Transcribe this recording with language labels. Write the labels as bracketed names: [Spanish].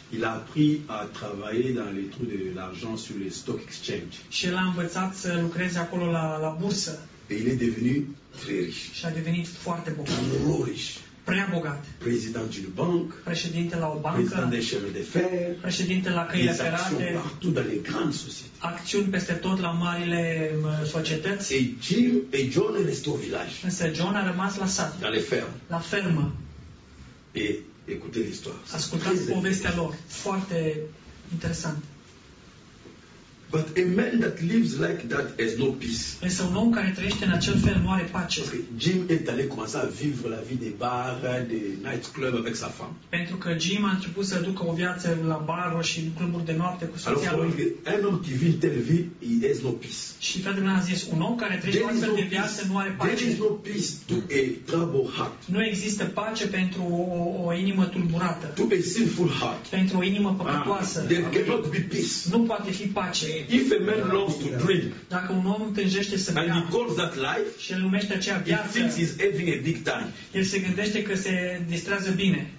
[French] Il a appris à travailler dans les trous de l'argent sur les stock exchange. [Romanian] Și l-a învățat să lucreze acolo la bursă. [French] Et il est devenu très riche. [Romanian] Și a devenit foarte bogat. [French] Trop riche. [Romanian] Prea bogat. [French] Président d'une banque. [Romanian] Președinte la o bancă. [French] Président des chemins de fer. [Romanian] Președinte la căile ferate. [French] Des actions partout dans les grandes sociétés. [Romanian] Acțiuni peste tot la marile societăți. [French] Et Jim et John est resté au village. [Romanian] Însă John a rămas la sat. [French] Dans les fermes. [Romanian] La fermă. [French] Et écoutez l'histoire. [Romanian] Ascultați povestea lor. Foarte interesant. [English] But a man that lives like that has no peace. [Romanian] Însă un om care trăiește în acel fel nu are pace. [English] Okay. [French] Jim est allé commencer à vivre la vie des bars, des nightclubs avec sa femme. [Romanian] Pentru că Jim a început să ducă o viață la baruri și în cluburi de noapte cu soția lui. [French] Alors, [Romanian] un om [French] qui vit telle vie, [English] he has no peace. [Romanian] Și fratele meu a zis, un om care trăiește o astfel de viață nu are pace. [English] There is no peace to a troubled heart. [Romanian] Nu există pace pentru o inimă tulburată. [English] To a sinful heart. [Romanian] Pentru o inimă păcătoasă. [English] There cannot be peace. [Romanian] Nu poate fi pace. [English] If a man loves to drink, [Romanian] dacă un om tânjește să bea, [English] and he calls that life, [Romanian] și îl numește acea viață, [English] he thinks he's having a big time. [Romanian] El se gândește că se distrează bine.